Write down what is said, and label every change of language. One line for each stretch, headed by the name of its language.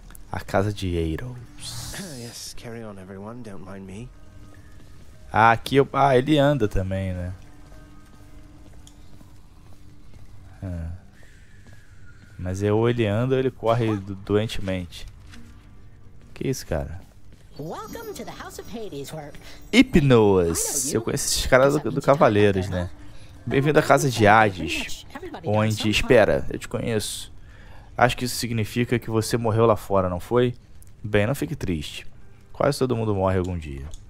Portuguese: A casa de Eiro.
English: Yes, carry on, everyone. Don't mind me.
Portuguese: Ah, aqui eu. Ah, ele anda também, né? Mas é ou ele anda ou ele corre doentemente. Que isso, cara?
English: Welcome to the House of Hades, where... Hypnos!
Portuguese: Eu conheço esses caras do Cavaleiros, né? Bem-vindo à Casa de Hades. Onde... Espera, eu te conheço. Acho que isso significa que você morreu lá fora, não foi? Bem, não fique triste. Quase todo mundo morre algum dia.